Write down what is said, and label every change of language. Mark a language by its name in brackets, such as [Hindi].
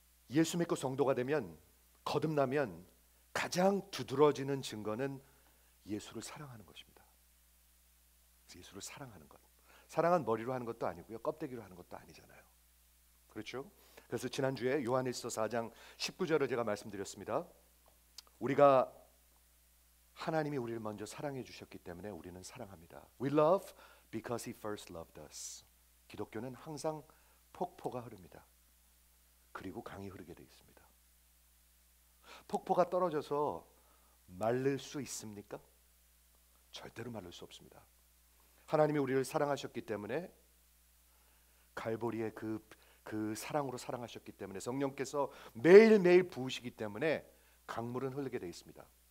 [Korean] 예수 믿고 성도가 되면 거듭나면 가장 두드러지는 증거는 예수를 사랑하는 것입니다. 예수를 사랑하는 것. 사랑은 머리로 하는 것도 아니고요. 껍데기로 하는 것도 아니잖아요. 그렇죠? 그래서 지난주에 요한일서 4장 19절을 제가 말씀드렸습니다. 우리가 하나님이 우리를 먼저 사랑해 주셨기 때문에 우리는 사랑합니다. [English] We love because he first loved us. [Korean] 기독교는 항상 폭포가 흐릅니다. 그리고 강이 흐르게 되어 있습니다. 폭포가 떨어져서 마를 수 있습니까? 절대로 마를 수 없습니다. 하나님이 우리를 사랑하셨기 때문에 갈보리의 그 사랑으로 사랑하셨기 때문에 성령께서 매일매일 부으시기 때문에 강물은 흐르게 되어 있습니다.